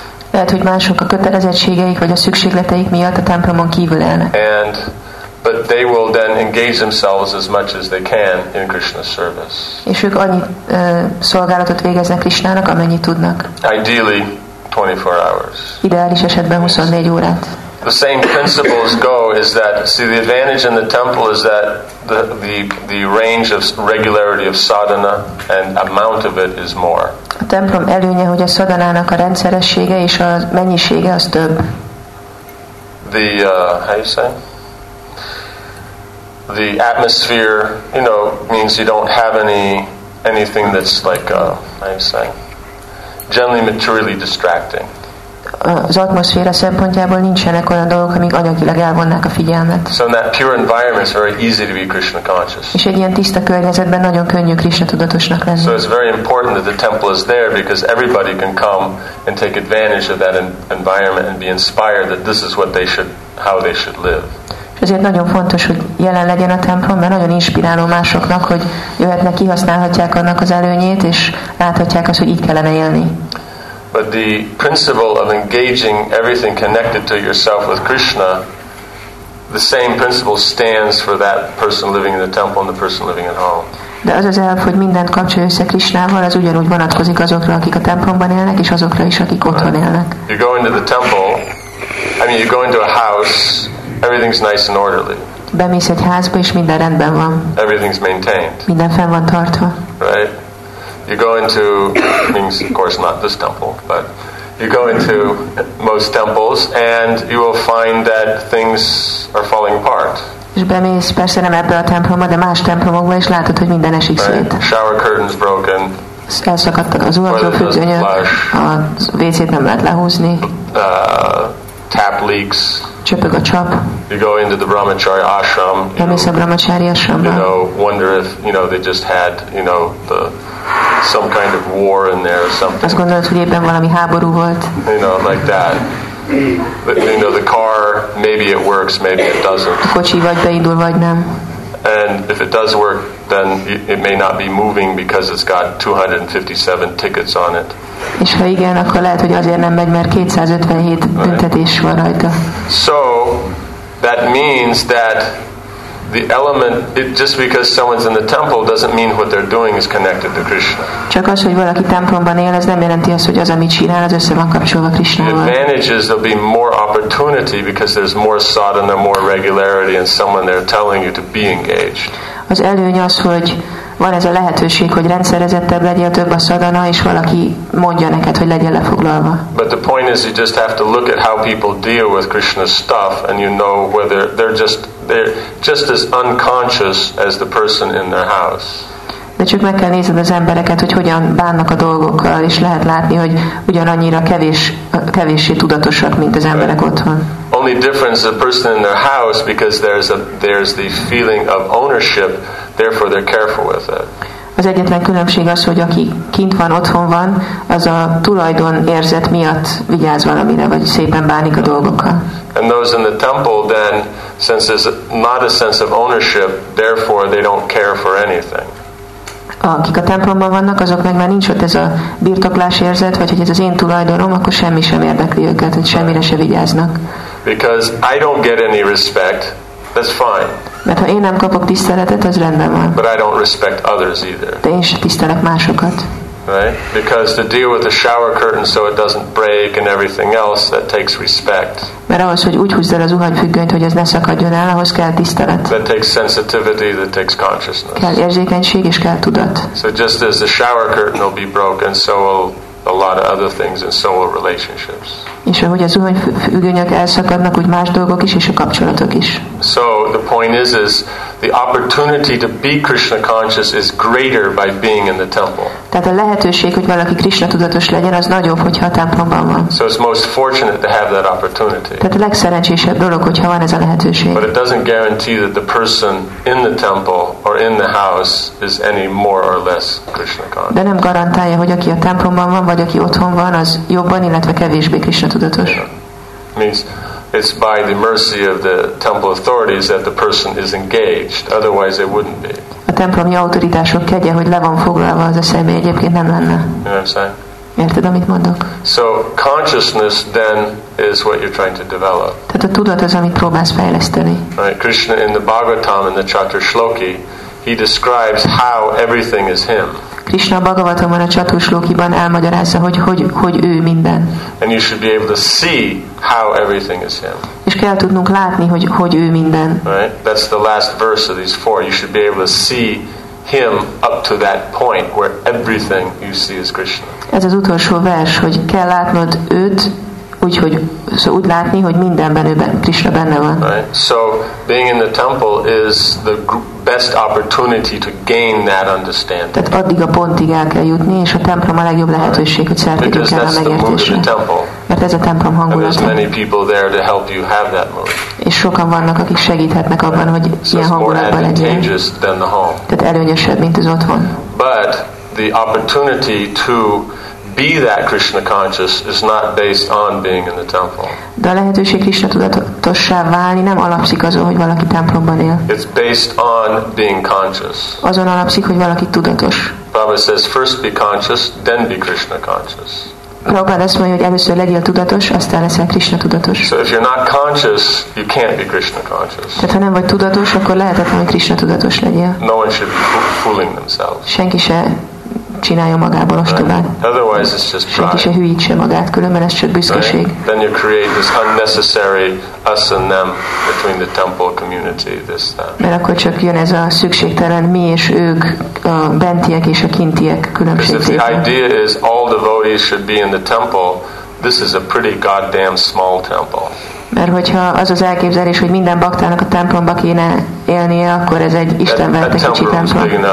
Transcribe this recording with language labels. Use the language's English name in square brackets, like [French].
[Hungarian] Lehet, hogy mások a kötelezettségeik vagy a szükségleteik miatt a templomon kívül élnek. [English] And but they will then engage themselves as much as they can in Krishna's service. [Hungarian] És ők annyi szolgálatot végeznek Krishnának, amennyit tudnak. [English] Ideally 24 hours. [Hungarian] Ideális esetben 24 órát. [English] The same principles go is that see the advantage in the temple is that the range of regularity of sadhana and amount of it is more. [Hungarian] A templom előnye, hogy a szadanának a rendszeressége és a mennyisége az több. [English] The how you say? The atmosphere, you know, means you don't have anything that's like how you say? Generally materially distracting. [Hungarian] Az atmoszféra szempontjából nincsenek olyan dolgok, amik anyagilag elvonnák a figyelmet. [English] So in that pure environment is very easy to be Krishna conscious. [Hungarian] És egy ilyen tiszta környezetben nagyon könnyű Krishna tudatosnak lenni. [English] So it's very important that the temple is there because everybody can come and take advantage of that environment and be inspired that this is what they should, how they should live. [Hungarian] Ezért nagyon fontos, hogy jelen legyen a templom, mert nagyon inspiráló másoknak, hogy jöhetnek, kihasználhatják annak az előnyét, és láthatják azt, hogy így kellene élni. [English] But the principle of engaging everything connected to yourself with Krishna, the same principle stands for that person living in the temple and the person living at home. [Hungarian] De az az elv, hogy mindent kapcsolja össze Krishnával, az ugyanúgy vonatkozik azokra, akik a templomban élnek, és azokra is, akik otthon élnek. [English] You go into the temple, I mean you go into a house, everything's nice and orderly. [Hungarian] Bemész egy házba, és minden rendben van. [English] Everything's maintained. [Hungarian] Minden fenn van tartva. [English] Right? You go into things, of course, not this temple, but you go into most temples, and you will find that things are falling apart. [Hungarian] És bemész, persze nem ebbe a templomba, de más templomokba, és látod, hogy minden esik [English] right? [Hungarian] szét. [English] Shower curtains broken. [Hungarian] Elszakadtak az uvató függönyök. A WC-t nem lehet lehúzni. [English] Tap leaks. [Hungarian] Csöpög a csap. [English] You go into the Brahmacharya ashram. [Hungarian] Bemész a Brahmacharya ashramba. [English] You know, wonder if you know they just had you know the some kind of war in there or something. [Hungarian] Azt gondolod, hogy éppen valami háború volt. [English] You know, like that. But, you know, the car maybe it works, maybe it doesn't. [Hungarian] A kocsi vagy beindul vagy nem. [English] And if it does work, then it may not be moving because it's got 257 tickets on it. [Hungarian] És ha igen, akkor lehet, hogy azért nem megy, mert 257 büntetés van rajta. [English] So that means that the element, it, just because someone's in the temple doesn't mean what they're doing is connected to Krishna. [Hungarian] Csak az, hogy valaki templomban él, ez nem jelenti azt, hogy az, amit csinál, az össze van kapcsolva Krishnával. [English] The advantage is there'll be more opportunity because there's more sadhana, more regularity, and someone there telling you to be engaged. [Hungarian] Az előny az, hogy van ez a lehetőség, hogy rendszerezettebb legyél, több a szadana, és valaki mondja neked, hogy legyél lefoglalva. [English] But the point is, you just have to look at how people deal with Krishna's stuff, and you know whether they're just as unconscious as the person in their house. [Hungarian] De csak meg kell nézni az embereket, hogy hogyan bánnak a dolgokkal, és lehet látni, hogy ugyanannyira kevéssé tudatosak, mint az emberek otthon. [English] Only difference is the person in their house because there's the feeling of ownership, therefore they're careful with it. [Hungarian] Az egyetlen különbség az, hogy aki kint van, otthon van, az a tulajdon érzet miatt vigyáz valamire, vagy szépen bánik a dolgokkal. [English] And those in the temple then, since there's not a sense of ownership, therefore they don't care for anything. [Hungarian] Akik a templomban vannak, azok meg már nincs ott ez a birtoklás érzet, vagy hogy ez az én tulajdonom, akkor semmi sem érdekli őket, hogy semmire se vigyáznak. [English] Because I don't get any respect, that's fine. [Hungarian] Mert ha én nem kapok tiszteletet, az rendben van. [English] But I don't respect others either. [Hungarian] De én sem tisztelek másokat. [English] Right? Because to deal with the shower curtain so it doesn't break and everything else, that takes respect. [Hungarian] Mert ahhoz, hogy úgy húzd el a zuhanyfüggönyt, hogy ez ne szakadjon el, ahhoz kell tisztelet. [English] That takes sensitivity, that takes consciousness. [Hungarian] Kell érzékenység és kell tudat. [English] So just as the shower curtain will be broken, so will a lot of other things and so will relationships. [Hungarian] És ahogy a zuhanyfüggönyök elszakadnak, úgy más dolgok is és a kapcsolatok is. [English] So the point is the opportunity to be Krishna conscious is greater by being in the temple. [Hungarian] Tehát a lehetőség, hogy valaki Krishna tudatos legyen, az nagyobb, hogyha a templomban van. [English] So it's most fortunate to have that opportunity. [Hungarian] Tehát a legszerencsésebb dolog, hogyha van ez a lehetőség. [English] But it doesn't guarantee that the person in the temple or in the house is any more or less Krishna conscious. [Hungarian] De nem garantálja, hogy aki a templomban van, vagy aki otthon van, az jobban, illetve kevésbé Krishna tudatos. [English] Means it's by the mercy of the temple authorities that the person is engaged, otherwise they wouldn't be. [Hungarian] A templomi autoritások kegye, hogy le van foglalva az a személy, egyébként nem lenne. Érted, amit mondok? [English] So consciousness then is what you're trying to develop. [Hungarian] Tehát a tudat az, amit próbálsz fejleszteni. [English] Right, Krishna in the Bhagavatam in the Chaturshloki, he describes how everything is him. [Hungarian] Krishna a Bhagavatamban a Chaturshlokiban elmagyarázza, hogy ő minden. [English] And you should be able to see how everything is him. [Hungarian] És kell tudnunk látni, hogy ő minden. [English] Right? That's the last verse of these four. You should be able to see him up to that point where everything you see is Krishna. [Hungarian] Ez az utolsó vers, hogy kell látnod őt, úgyhogy szóval úgy látni, hogy mindenben ő Krishna benne van. [English] Right? So being in the temple is the best opportunity to gain that understanding. [Hungarian] Tehát addig a pontig el kell jutni, és a templom a legjobb lehetőség, hogy szertegyük el a megértésre. Mert ez a templom hangulata. [English] There's many people there to help you have that mood. [Hungarian] És sokan vannak, akik segíthetnek abban, hogy ilyen hangulatban legyen. Tehát előnyösebb, mint az otthon. [English] But the opportunity to be that Krishna conscious is not based on being in the temple. [Hungarian] De a lehetőség Krishna tudatossá válni nem alapszik azon, hogy valaki templomban él. [English] It's based on being conscious. [Hungarian] Azon alapszik, hogy valaki tudatos. [English] Prabhupada says first be conscious, then be Krishna conscious. [Hungarian] Prabhupada azt mondja, hogy először legyél tudatos, aztán leszel Krishna tudatos. [English] So if you're not conscious, you can't be Krishna conscious. [Hungarian] Tehát ha nem vagy tudatos, akkor lehetetlen, hogy Krishna tudatos legyél. [English] No one should be fooling themselves. [Hungarian] Senki se csinálja magából ostobát. [English] Otherwise it's just pride. [Hungarian] Senki se hűítse magát, különben ez csak büszkeség. [English] Right? Then you create this unnecessary us and them between the temple community this time. [Hungarian] Mert akkor csak jön ez a szükségtelen mi és ők, a bentiek és a kintiek különbség. [English] Because if the idea is all devotees should be in the temple, this is a pretty goddamn small temple. [Hungarian] Mert hogyha az az elképzelés, hogy minden baktának a templomba kéne élnie, akkor ez egy istenvelte kicsi templom.